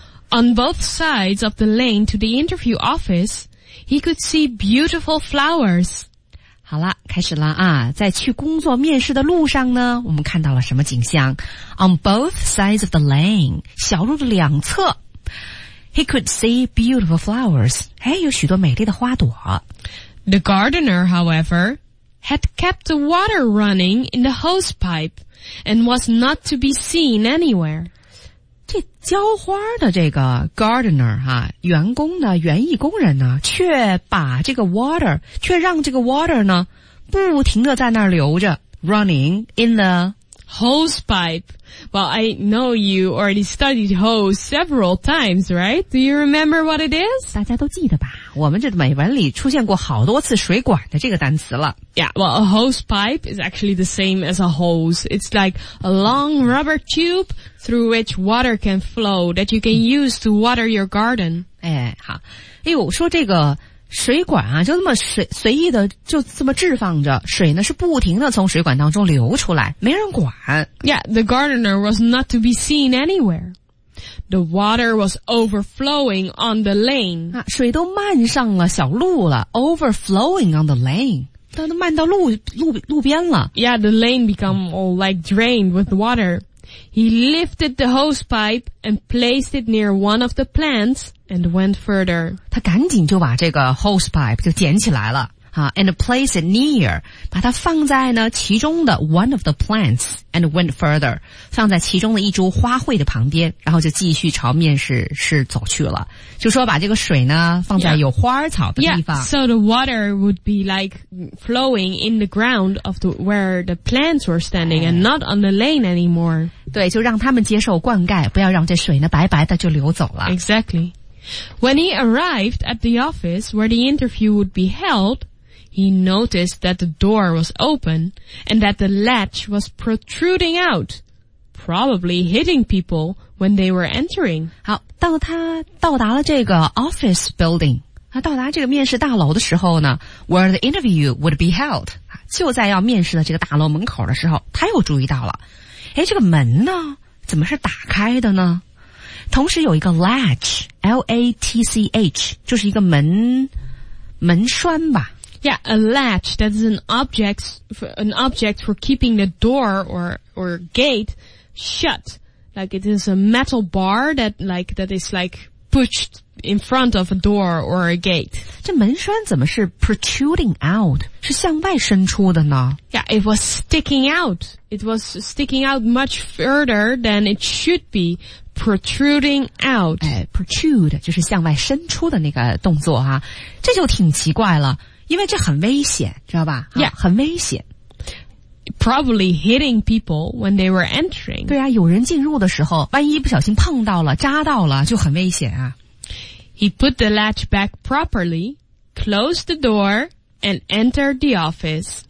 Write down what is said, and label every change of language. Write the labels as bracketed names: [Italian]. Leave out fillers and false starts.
[English] On both sides of the lane to the interview office, he could see beautiful flowers. [Chinese] 好了，开始了啊！在去工作面试的路上呢，我们看到了什么景象 ？ [English] On both sides of the lane， [Chinese] 小路的两侧 ， [English] he could see beautiful flowers。 [Chinese] 哎，有许多美丽的花朵。 [English] The gardener, however, had kept the water running in the hose pipe and was not to be seen anywhere. [Chinese] 这浇花的这个 gardener 哈、啊，员工呢，园艺工人呢，却把这个 water， 却让这个 water 呢，不停的在那儿流着 ， [English] running in the hose pipe. Well, I know you already studied hose several times, right? Do you remember what it is? [Chinese] 大家都记得吧？我们这美文里出现过好多次水管的这个单词了。 [English] Yeah, well, a hose pipe is actually the same as a hose. It's like a long rubber tube through which water can flow that you can use to water your garden. [Chinese] 哎，好。哎呦，说这个水管啊，就这么随意的就这么置放着，水呢是不停的从水管当中流出来，没人管。 [English] Yeah, the gardener was not to be seen anywhere. The water was overflowing on the lane. [Chinese] 啊，水都漫上了小路了 ， [English] overflowing on the lane. [Chinese] 它都漫到路边了。 [English] Yeah, the lane become all like drained with water. He lifted the hose pipe and placed it near one of the plants. And went further. [Chinese] 他赶紧就把这个 hose pipe 就捡起来了、啊、 [English] And placed it near. [Chinese] 把它放在呢其中的 [English] one of the plants. And went further. [Chinese] 放在其中的一株花卉的旁边，然后就继续朝面试室走去了。就说把这个水呢放在有花草的地方。 [English] Yeah. So the water would be like flowing in the ground of the, where the plants were standing、哎、and not on the lane anymore. [Chinese] 对，就让他们接受灌溉，不要让这水呢白白的就流走了。 [English] Exactly. When he arrived at the office where the interview would be held, he noticed that the door was open and that the latch was protruding out, probably hitting people when they were entering. [Chinese] 好，当他到达了这个 office building, 他到达这个面试大楼的时候呢 , [English] where the interview would be held, [Chinese] 就在要面试的这个大楼门口的时候，他又注意到了，诶，这个门呢，怎么是打开的呢？同时有一个 latch, L-A-T-C-H, 就是一个门栓吧。 [English] Yeah, a latch, that is an object for keeping the door or gate shut. Like it is a metal bar that is like pushed in front of a door or a gate. [Chinese] 这门栓怎么是 protruding out, 是向外伸出的呢？ [English] Yeah, it was sticking out. It was sticking out much further than it should be. Protruding out. [Chinese] Protrude, 就是向外伸出的那个动作啊。这就挺奇怪了，因为这很危险，知道吧？ [English] Yeah. [Chinese] 很危险。 [English] Probably hitting people when they were entering. [Chinese] 对啊，有人进入的时候，万一不小心碰到了，扎到了，就很危险啊。 [English] He put the latch back properly, closed the door, and entered the office.